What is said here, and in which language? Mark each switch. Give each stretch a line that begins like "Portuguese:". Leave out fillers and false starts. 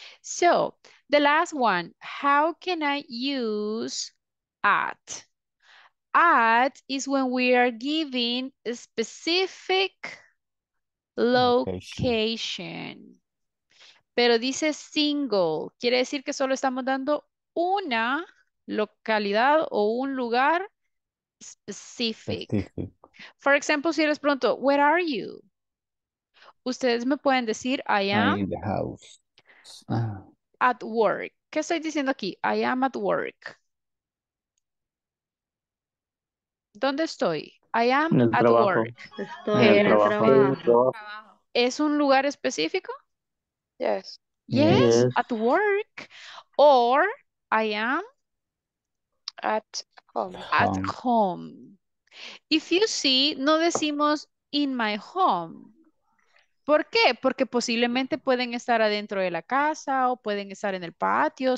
English: So, the last one, how can I use at? At is when we are giving a specific location.
Spanish: Pero dice single. Quiere decir que solo estamos dando una localidad o un lugar specific.
English: For example,
Spanish: si les pregunto,
English: where are you?
Spanish: Ustedes me pueden decir,
English: I am in the house. At work.
Spanish: ¿Qué estoy diciendo aquí?
English: I am at work.
Spanish: ¿Dónde estoy?
English: I am at
Spanish: trabajo.
English: Work.
Spanish: Estoy en el trabajo. ¿Es un lugar específico?
English: Yes. Yes. At work. Or I am at home. At home. If you see,
Spanish: no decimos
English: in my home.
Spanish: ¿Por qué? Porque posiblemente pueden estar adentro de la casa o pueden estar en el patio.